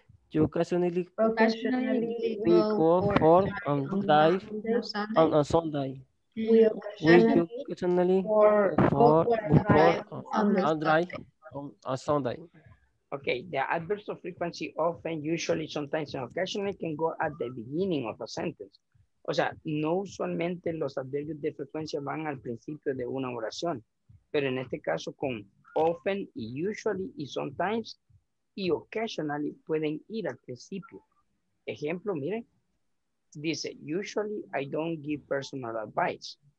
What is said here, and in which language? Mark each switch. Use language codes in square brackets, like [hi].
[en] You occasionally go for a drive on a Sunday. We occasionally work on a Sunday. Okay, the adverbs of frequency often, usually, sometimes, and occasionally can go at the beginning of a sentence. [es] O sea, no usualmente los adverbios de frecuencia van al principio de una oración, pero en este caso con often y usually y sometimes y occasionally pueden ir al principio. Ejemplo, miren, dice, [en] usually I don't give personal advice.